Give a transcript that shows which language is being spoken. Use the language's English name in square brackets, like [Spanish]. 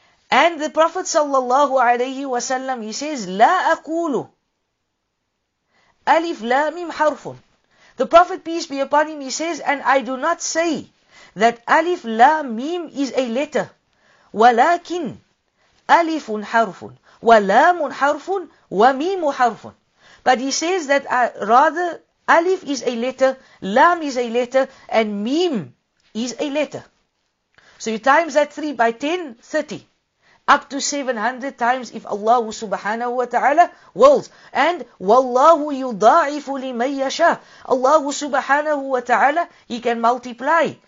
[English] And the Prophet sallallahu alayhi wa sallam, he says, La akulu alif la mim harfun. The Prophet peace be upon him, he says, and I do not say that alif la mim is a letter. [Arabic] ولكن ألف حرف ولام حرف وميم حرف. [English] But he says that rather ألف is a letter, لام is a letter, and ميم is a letter. So you times that 3 by 10, 30. Up to 700 times if Allah subhanahu wa ta'ala wills. And وَاللَّهُ يُضَاعِفُ لِمَنْ يَشَاءُ. Allah subhanahu wa ta'ala, He can multiply.